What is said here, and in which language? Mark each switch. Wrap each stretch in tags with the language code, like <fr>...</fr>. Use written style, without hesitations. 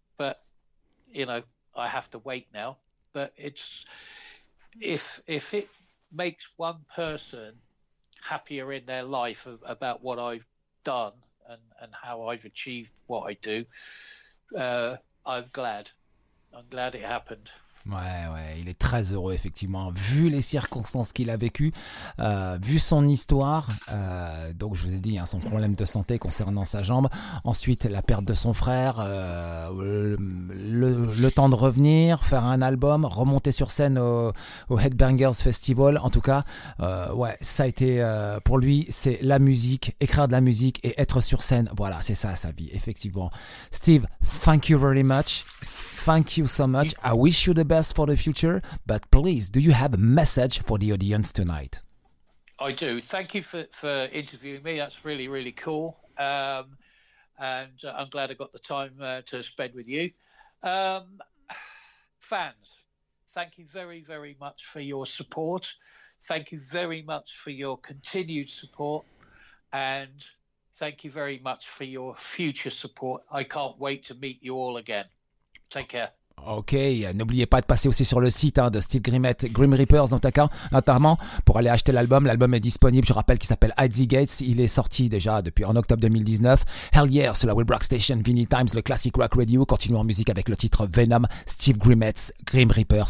<en>But, you know, I have to wait now. But it's if it makes one person happier in their life about what I've done and how I've achieved what I do, I'm glad it happened.</en> <fr>Ouais, il est très heureux effectivement, vu les circonstances qu'il a vécues, vu son histoire, donc je vous ai dit, hein, son problème de santé concernant sa jambe, ensuite la perte de son frère, le temps de revenir, faire un album, remonter sur scène au Headbangers Festival, en tout cas, ouais, ça a été, pour lui, c'est la musique, écrire de la musique et être sur scène, voilà, c'est ça sa vie, effectivement.</fr> <en>Steve, thank you very much. Thank you so much. I wish you the best for the future. But please, do you have a message for the audience tonight? I do. Thank you for interviewing me. That's really, really cool. And I'm glad I got the time to spend with you. Fans, thank you very, very much for your support. Thank you very much for your continued support. And thank you very much for your future support. I can't wait to meet you all again. Take care.</en> <fr>Ok, n'oubliez pas de passer aussi sur le site, hein, de Steve Grimmett, Grim Reapers notamment, pour aller acheter l'album. L'album est disponible, je rappelle, qui s'appelle Izzy Gates. Il est sorti déjà depuis en octobre 2019.</fr> <en>Hell yeah,</en> <fr>sur la Will Rock Station, Vinyl Times, le Classic Rock Radio. Continuons en musique avec le titre Venom, Steve Grimmett's Grim Reapers.</fr>